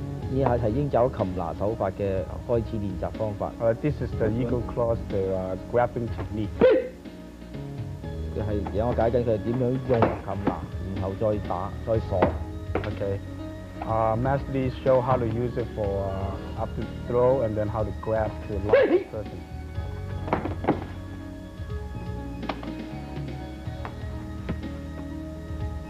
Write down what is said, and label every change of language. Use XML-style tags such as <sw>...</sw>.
<yue>以下是鷹爪擒拿手法的開始練習方法。</yue> <en>This is the eagle claws, the grabbing technique.</en> <yue>是現在我解緊佢點樣用擒拿，然後再打，再鎖。</yue> <en>Okay. Master Lee show how to use it for up to throw and then how to grab to lock the person.</en>